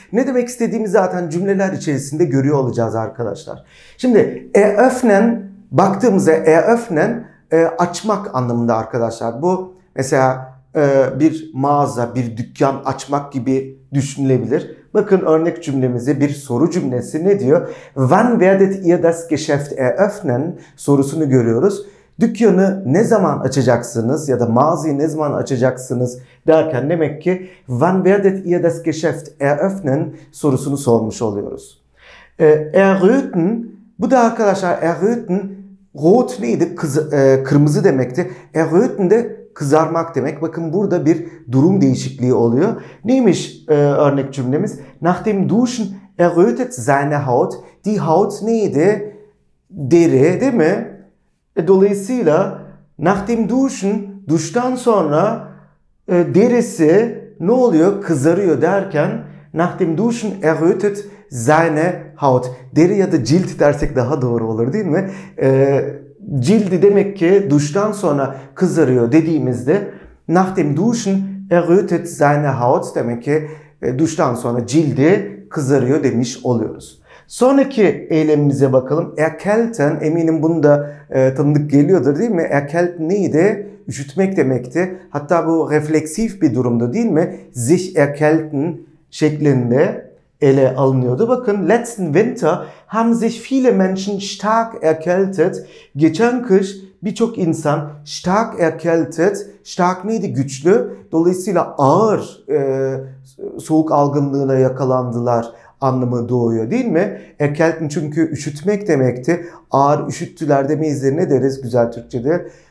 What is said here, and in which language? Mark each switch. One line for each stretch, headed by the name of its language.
Turkish: Ne demek istediğimi zaten cümleler içerisinde görüyor olacağız arkadaşlar. Şimdi eröffnen, baktığımızda eröffnen açmak anlamında arkadaşlar. Bu mesela bir mağaza, bir dükkan açmak gibi düşünülebilir. Bakın örnek cümlemize bir soru cümlesi ne diyor?
German: Wann werdet ihr das Geschäft eröffnen?
Turkish: Sorusunu görüyoruz. Dükkanı ne zaman açacaksınız ya da mağazayı ne zaman açacaksınız derken demek ki
German: Wann werdet ihr das Geschäft eröffnen?
Turkish: Sorusunu sormuş oluyoruz. Erröten, bu da arkadaşlar erröten, rot neydi? Kırmızı demekti. Erröten de kızarmak demek. Bakın burada bir durum değişikliği oluyor. Neymiş örnek cümlemiz?
German: Nach dem Duschen errötet seine Haut.
Turkish: Die Haut neydi? Deri, değil mi? Dolayısıyla
German: nach dem Duschen,
Turkish: duştan sonra derisi ne oluyor? Kızarıyor derken
German: nach dem Duschen errötet seine Haut.
Turkish: Deri ya da cilt dersek daha doğru olur, değil mi? Cildi demek ki duştan sonra kızarıyor dediğimizde
German: nach dem Duschen errötet seine Haut,
Turkish: demek ki duştan sonra cildi kızarıyor demiş oluyoruz. Sonraki eylemimize bakalım. Erkälten, eminim bunu da tanıdık geliyordur, değil mi? Erkälten neydi? Üşütmek demekti. Hatta bu refleksif bir durumdu, değil mi? Sich erkälten şeklinde ele alınıyordu.
German: Bakın, letzten Winter haben sich viele Menschen stark erkältet.
Turkish: Geçen kış birçok insan
German: stark erkältet.
Turkish: Stark neydi? Güçlü. Dolayısıyla ağır soğuk algınlığına yakalandılar anlamı doğuyor, değil mi? Erkälten çünkü üşütmek demekti. Ağır üşüttüler demeyiz de ne deriz güzel Türkçe'de?